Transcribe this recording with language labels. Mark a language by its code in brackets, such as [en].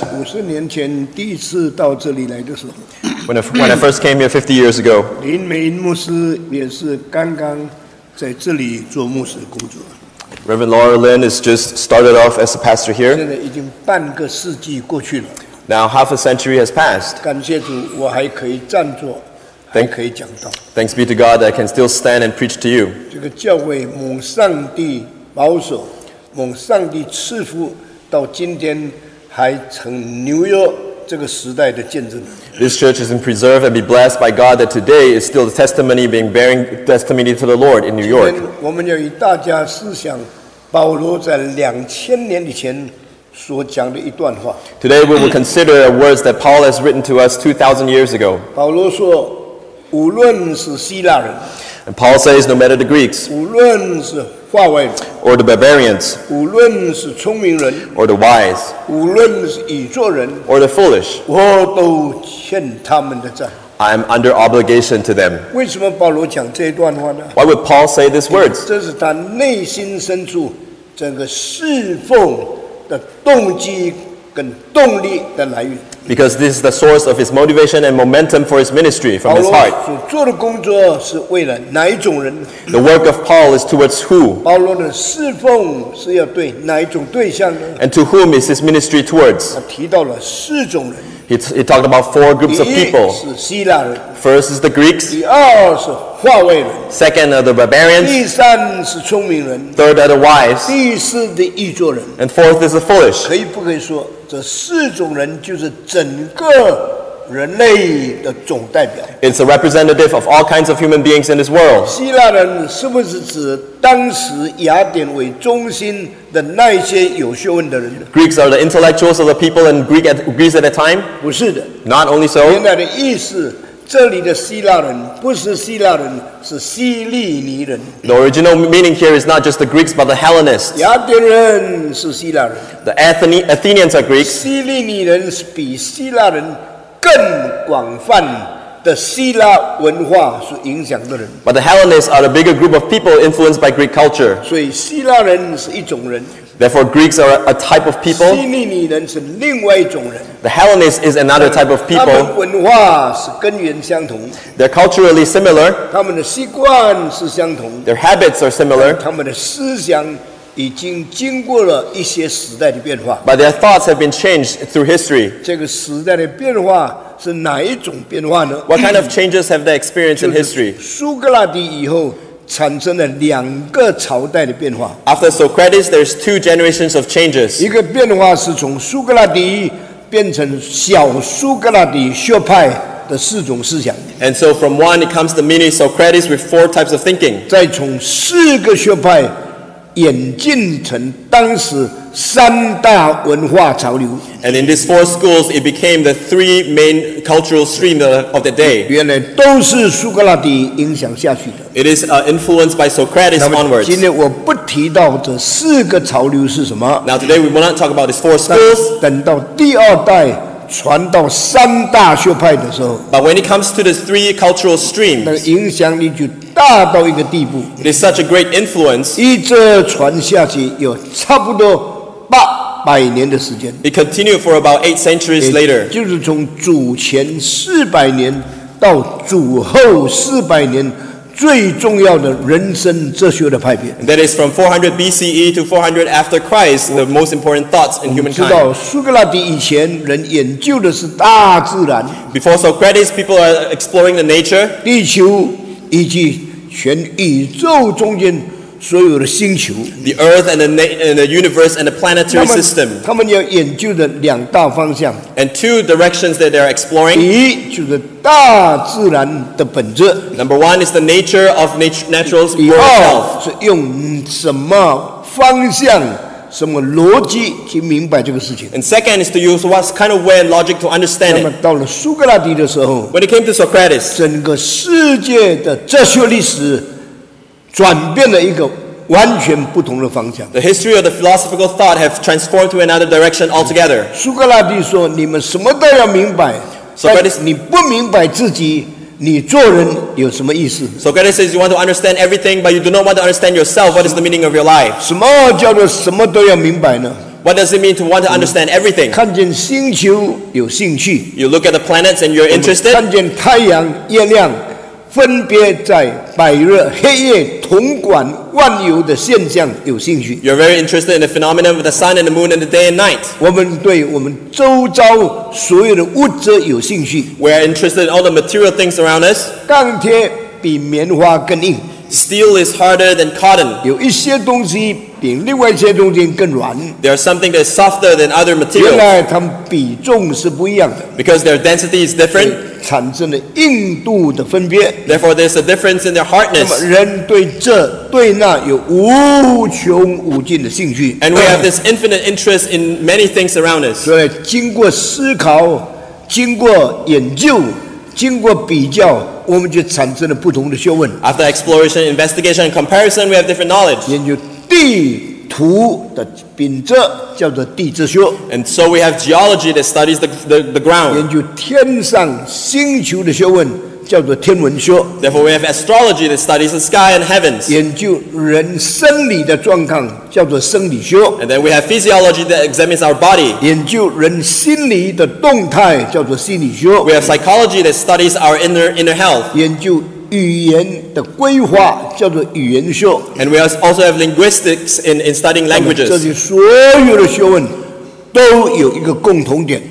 [zh] 50年前第一次到这里来的时候。 [en] When I first came here 50 years ago. [zh] 林美英牧师也是刚刚在这里做牧师工作。 [en] Reverend Laura Lin has just started off as a pastor here. [zh] 现在已经半个世纪过去了。 [en] Now half a century has passed. [zh] 感谢主，我还可以站坐。 [en] Thanks be to God that I can still stand and preach to you. [zh] 这个教会蒙上帝保守，蒙上帝赐福，到今天还成纽约这个时代的见证。 [en] This church has been preserved and be blessed by God that today is still the testimony being bearing testimony to the Lord in New York. [zh] 今天我们要与大家思想保罗在2000年以前所讲的一段话。 [en] Today we will consider the words that Paul has written to us 2,000 years ago. [zh] 保罗说。无论是希腊人 [en] and Paul says, no matter the Greeks, [zh] 无论是化外人 [en] or the barbarians, [zh] 无论是聪明人 [en] or the wise, [zh] 无论是愚拙人 [en] or the foolish, [zh] 我都欠他们的债 [en] I'm under obligation to them. [zh] 为什么保罗讲这段话呢 [en] Why would Paul say these words? [zh] 这是他内心深处整个侍奉的动机跟动力的来源。 [en] Because this is the source of his motivation and momentum for his ministry from his heart. [zh] 保罗所做的工作是为了哪一种人？ [en] The work of Paul is towards who? [zh] 保罗的侍奉是要对哪一种对象呢？ [en] And to whom is his ministry towards? [zh] 他提到了四种人。 [en] He talked about four groups of people. [zh] 第一是希腊人。 [en] First is the Greeks. [zh] 第二是化外人。 [en] Second are the barbarians. [zh] 第三是聪明人。 [en] Third are the wise. [zh] 第四的愚拙人。 [en] And fourth is the foolish. [zh] 可以不可以说？这四种人就是整个人类的总代表。 [en] It's a representative of all kinds of human beings in this world. [zh] 希腊人是不是指当时雅典为中心的那些有学问的人 [en] ？Greeks are the intellectuals of the people in Greece at that time. [zh] 不是的。 [en] Not only so. [zh] 原来的意思，这里的希腊人不是希腊人，是希利尼人。 [en] The original meaning here is not just the Greeks, but the Hellenists. [zh] 雅典人是希腊人。 [en] The Athenians are Greeks. [zh] 希利尼人比希腊人更广泛的希腊文化所影响的人。 [en] But the Hellenists are a bigger group of people influenced by Greek culture. [zh] 所以希腊人是一种人。 [en] Therefore, Greeks are a type of people. [zh] 希利尼人是另外一种人。 [en] The Hellenists is another type of people. [zh] 他们文化是根源相同。 [en] They're culturally similar. [zh] 他们的习惯是相同。 [en] Their habits are similar. [zh] 他们的思想已经经过了一些时代的变化。 [en] But their thoughts have been changed through history. [zh] 这个时代的变化是哪一种变化呢？ [en] What kind of changes have they experienced in history? [zh] 就是苏格拉底以后产生了两个朝代的变化。 [en] After Socrates, there's two generations of changes. [zh] 一个变化是从苏格拉底变成小苏格拉底学派的四种思想。 [en] And so from one, it comes the mini Socrates with four types of thinking. [zh] 再从四个学派演进成当时三大文化潮流。 [en] And in these four schools, it became the three main cultural streams of the day. [zh] 原来都是苏格拉底影响下去的。 [en] It is influenced by Socrates onwards. [zh] 今天我不提到这四个潮流是什么。 [en] Now today we will not talk about these four schools. [zh] 等到第二代传到三大学派的时候。 [en] But when it comes to the three cultural streams, [zh] 那个影响力就大到一个地步。 [en] It is such a great influence. [zh] 一直传下去有差不多800年的时间。 [en] It continued for about 8 centuries later. [zh] 就是从主前400年到主后400年最重要的人生哲学的派别。 [en] That is from 400 BCE to 400 after Christ, the most important thoughts in humankind. [zh] 我们知道苏格拉底以前人研究的是大自然。 [en] Before Socrates, people are exploring the nature. [zh] 地球以及全宇宙中间所有的星球。 [en] The earth and the universe and the planetary system. [zh] 他们要研究的两大方向。 [en] And two directions that they are exploring. [zh] 一就是大自然的本质。 [en] Number one is the nature of natural world itself. [zh] 是用什么方向什么逻辑去明白这个事情。 [en] And second is to use what kind of way and logic to understand it. [zh] 那么到了苏格拉底的时候。 [en] When it came to Socrates. [zh] 整个世界的哲学历史转变了一个完全不同的方向。 [en] The history of the philosophical thought have transformed to another direction altogether. [zh] 苏格拉底说：“你们什么都要明白，但你不明白自己，你做人有什么意思？ [en] So God says you want to understand everything, but you do not want to understand yourself. What is the meaning of your life? [zh] 什么叫做什么都要明白呢？ [en] What does it mean to want to understand everything? [zh] 看见星球有兴趣。 [en] You look at the planets and you're interested. [zh] 看见太阳、月亮分别在白日、黑夜统管万有的现象有兴趣。 [en] You're very interested in the phenomenon of the sun and the moon and the day and night. [zh] 我们对我们周遭所有的物质有兴趣。 [en] We are interested in all the material things around us. [zh] 钢铁比棉花更硬。 [en] Steel is harder than cotton. [zh] 有一些东西比另外一些东西更软。 [en] There are something that is softer than other materials. [zh] 原来它们比重是不一样的。 [en] Because their density is different. [zh] 产生了硬度的分别。 [en] Therefore, there's a difference in their hardness. [zh] 人对这对那有无穷无尽的兴趣。 [en] And we have this infinite interest in many things around us. [zh] 所以经过思考，经过研究，经过比较，我们就产生了不同的学问。 [en] After exploration, investigation, and comparison, we have different knowledge. [zh] 研究地图的秉哲叫做地质学。 [en] And so we have geology that studies the ground. [zh] 研究天上星球的学问叫做天文学。 [en] Therefore we have astrology that studies the sky and heavens. [zh] 研究人生理的状况叫做生理学。 [en] And then we have physiology that examines our body. [zh] 研究人心理的动态叫做心理学。 [en] We have psychology that studies our inner health. [zh] 研究语言的规划叫做语言学。 [en] And we also have linguistics in studying languages. [zh] 这些所有的学问都有一个共同点。